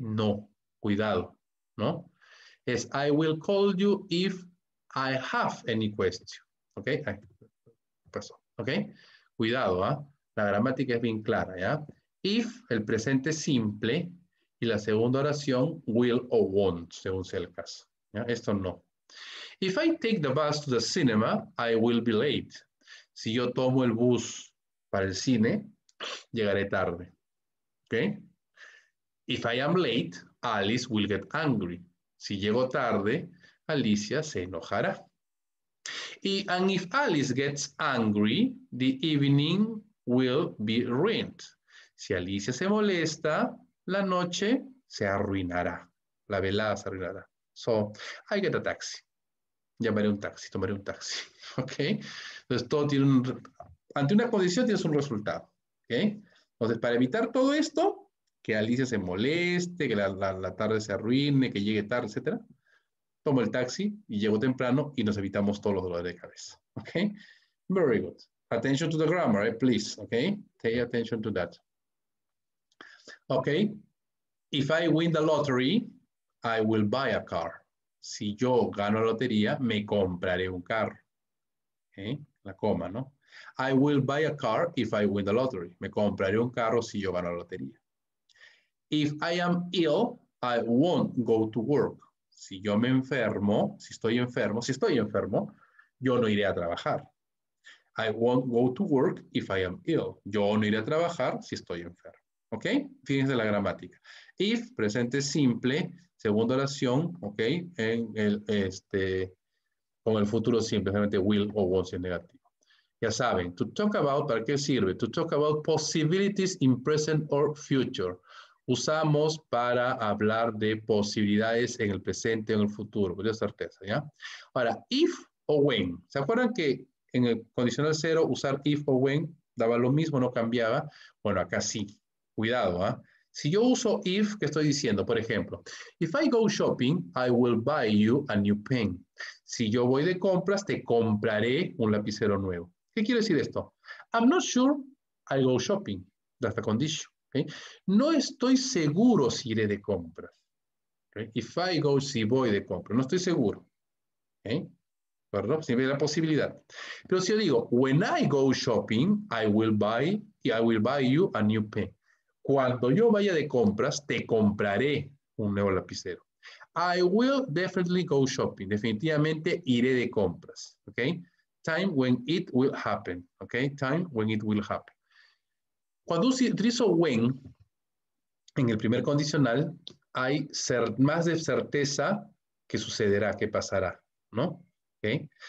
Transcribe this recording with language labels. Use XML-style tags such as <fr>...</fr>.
<es>No, cuidado, ¿no? Es</es> <en>I will call you if I have any question, ¿okay?</en> <es>Pasó,</es> <en>¿okay?</en> <es>Cuidado, ¿ah? La gramática es bien clara, ¿ya? If, el presente simple, y la segunda oración, will o won't, según sea el caso, ¿ya? Esto no.</es> <en>If I take the bus to the cinema, I will be late.</en> <es>Si yo tomo el bus para el cine, llegaré tarde, ¿okay?</es> <en>If I am late, Alice will get angry.</en> <es>Si llego tarde, Alicia se enojará.</es> <en>And if Alice gets angry, the evening will be ruined.</en> <es>Si Alicia se molesta, la noche se arruinará. La velada se arruinará.</es> <en>So, I get a taxi.</en> <es>Llamaré un taxi, tomaré un taxi. Okay? Entonces, todo tiene un... Ante una condición, tienes un resultado. Okay? Entonces, para evitar todo esto, que Alicia se moleste, que la tarde se arruine, que llegue tarde, etc. Tomo el taxi y llego temprano y nos evitamos todos los dolores de cabeza.</es> <en>¿Ok? Very good. Attention to the grammar, please. ¿Ok? Pay attention to that. ¿Ok? If I win the lottery, I will buy a car.</en> <es>Si yo gano la lotería, me compraré un carro. ¿Ok? La coma, ¿no?</es> <en>I will buy a car if I win the lottery.</en> <es>Me compraré un carro si yo gano la lotería.</es> <en>If I am ill, I won't go to work.</en> <es>Si yo me enfermo, si estoy enfermo, yo no iré a trabajar.</es> <en>I won't go to work if I am ill.</en> <es>Yo no iré a trabajar si estoy enfermo. ¿Ok? Fíjense la gramática. If, presente simple, segunda oración, ¿ok? En el, con el futuro simple, realmente will o won't ser negativo. Ya saben,</es> <en>to talk about,</en> <es>¿para qué sirve?</es> <en>To talk about possibilities in present or future.</en> <es>Usamos para hablar de posibilidades en el presente o en el futuro, con certeza, ¿ya? Ahora, if o when. ¿Se acuerdan que en el condicional cero usar if o when daba lo mismo, no cambiaba? Bueno, acá sí. Cuidado, ¿ah? Si yo uso if, ¿qué estoy diciendo? Por ejemplo,</es> <en>if I go shopping, I will buy you a new pen.</en> <es>Si yo voy de compras, te compraré un lapicero nuevo. ¿Qué quiere decir esto?</es> <en>I'm not sure I go shopping. That's the condition.</en> <es>No estoy seguro si iré de compras. Okay.</es> <en>If I go,</en> <es>si voy de compras. No estoy seguro. Okay. ¿Perdón? Siempre hay la posibilidad. Pero si yo digo,</es> <en>when I go shopping, I will buy you a new pen.</en> <es>Cuando yo vaya de compras, te compraré un nuevo lapicero.</es> <en>I will definitely go shopping.</en> <es>Definitivamente iré de compras.</es> <en>Okay. Time when it will happen. Okay. Time when it will happen.</en> <es>Cuando utilizo when en el primer condicional, hay más de certeza que sucederá, que pasará, ¿no? ¿Okay?</es>